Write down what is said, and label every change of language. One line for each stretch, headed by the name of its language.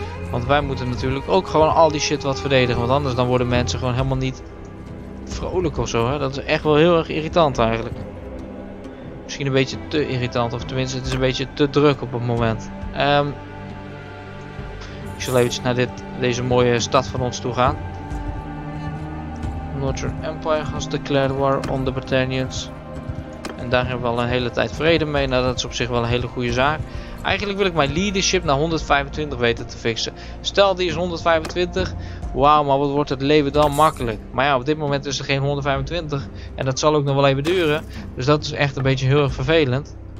Dutch: Want wij moeten natuurlijk ook gewoon al die shit wat verdedigen, want anders dan worden mensen gewoon helemaal niet vrolijk of zo. Hè? Dat is echt wel heel erg irritant eigenlijk. Misschien een beetje te irritant, of tenminste het is een beetje te druk op het moment. Ik zal eventjes naar deze mooie stad van ons toe gaan.
English: Northern Empire has declared war on the Britannians.
Dutch: En daar hebben we al een hele tijd vrede mee. Nou, dat is op zich wel een hele goede zaak. Eigenlijk wil ik mijn leadership naar 125 weten te fixen. Stel, die is 125. Wauw, maar wat wordt het leven dan makkelijk. Maar ja, op dit moment is er geen 125. En dat zal ook nog wel even duren. Dus dat is echt een beetje heel erg vervelend.